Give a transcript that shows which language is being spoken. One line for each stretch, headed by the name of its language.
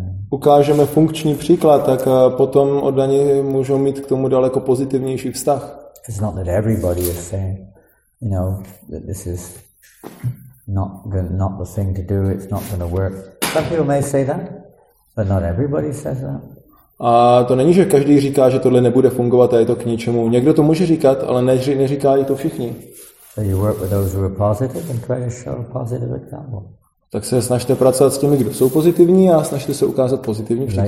Czech: Ukážeme funkční příklad, tak potom oddaní můžou mít k tomu daleko pozitivnější vztah.
English: It's not that everybody is saying, you know, that this is not the thing to do. It's not going to work. Some people may say that, but not everybody says that.
Czech: A to není, že každý říká, že tohle nebude fungovat a je to k ničemu. Někdo to může říkat, ale neříká to všichni.
English: So you work with those who are positive and try to show a positive example.
Czech: Tak se snažte pracovat s těmi, kdo jsou pozitivní, a snažte se ukázat pozitivní